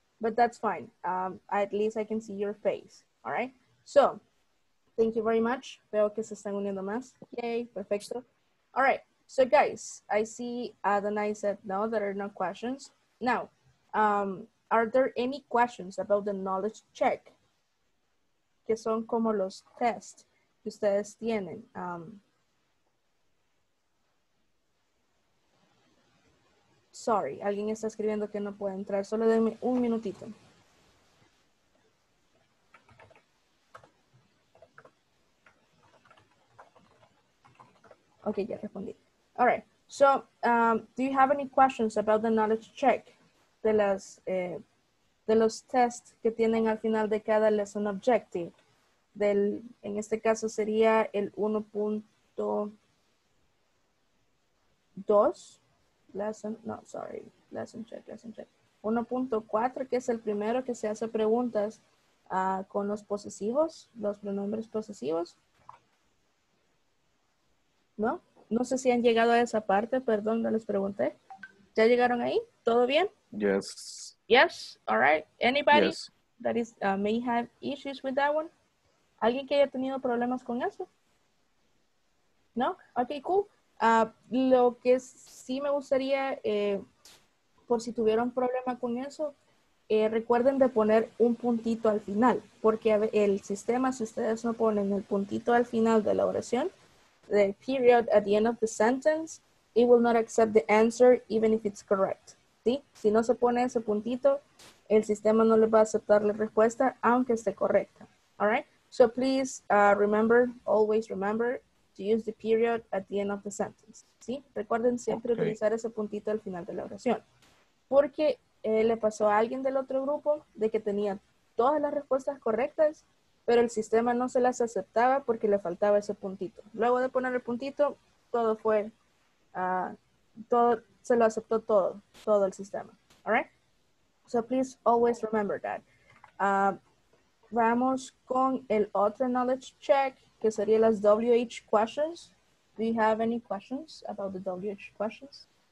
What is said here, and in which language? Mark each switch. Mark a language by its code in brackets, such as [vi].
[en] But that's fine. At least I can see your face, all right? So, Thank you very much. [es] Veo que se están uniendo más. Yay, perfecto. All right. [en] So, guys, I see Adam and I said no, there are no questions. Now, are there any questions about the knowledge check? [es] ¿Qué son como los tests que ustedes tienen? Sorry, alguien está escribiendo que no puede entrar. Solo denme un minutito. Okay, ya respondí. All right. [en] So, do you have any questions about the knowledge check? [es] De las, de los tests que tienen al final de cada lesson objective. Del, en este caso sería el 1.2. [en] Lesson, no, sorry. Lesson check. [es] 1.4, que es el primero que se hace preguntas con los posesivos, los pronombres posesivos. ¿No? No sé si han llegado a esa parte, perdón, no les pregunté. ¿Ya llegaron ahí? ¿Todo bien? [en] Yes. Yes, all right. Anybody yes. that is may have issues with that one? [es] ¿Alguien que haya tenido problemas con eso? ¿No? Okay, cool. Lo que sí me gustaría, por si tuvieron problema con eso, recuerden de poner un puntito al final, porque el sistema, si ustedes no ponen el puntito al final de la oración, [en] the period at the end of the sentence, it will not accept the answer even if it's correct. [es] ¿Sí? Si no se pone ese puntito, el sistema no le va a aceptar la respuesta aunque esté correcta. [en] All right? So please remember, always remember to use the period at the end of the sentence. [es] ¿Sí? Recuerden siempre okay. utilizar ese puntito al final de la oración. Porque le pasó a alguien del otro grupo de que tenía todas las respuestas correctas, pero el sistema no se las aceptaba porque le faltaba ese puntito. Luego de poner el puntito, todo fue, todo se lo aceptó todo, todo el sistema. All right? [en] So please always remember that. [es] Vamos con el otro knowledge check, que sería las WH questions. [en] Do you have any questions about the WH questions?